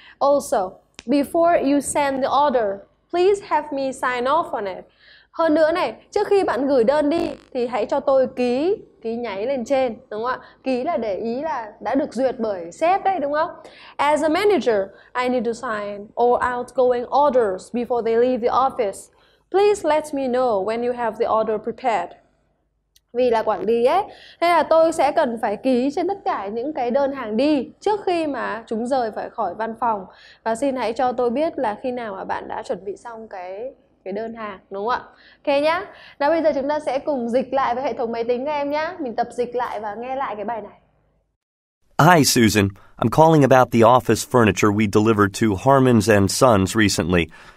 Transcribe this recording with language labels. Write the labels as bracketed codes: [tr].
[en] Also, before you send the order, please have me sign off on it. [vi] Hơn nữa này, trước khi bạn gửi đơn đi thì hãy cho tôi ký nháy lên trên, đúng không ạ? Ký là để ý là đã được duyệt bởi sếp đấy, đúng không? [en] As a manager, I need to sign all outgoing orders before they leave the office. Please let me know when you have the order prepared. [vi] Vì là quản lý ấy, nên là tôi sẽ cần phải ký trên tất cả những cái đơn hàng đi trước khi mà chúng rời khỏi văn phòng. Và xin hãy cho tôi biết là khi nào mà bạn đã chuẩn bị xong cái đơn hàng, đúng không ạ? Ok nhá. Nào bây giờ chúng ta sẽ cùng dịch lại với hệ thống máy tính các em nhá. Mình tập dịch lại và nghe lại cái bài này. [en] Hi Susan, I'm calling about the office furniture we delivered to Harmon's and Sons recently.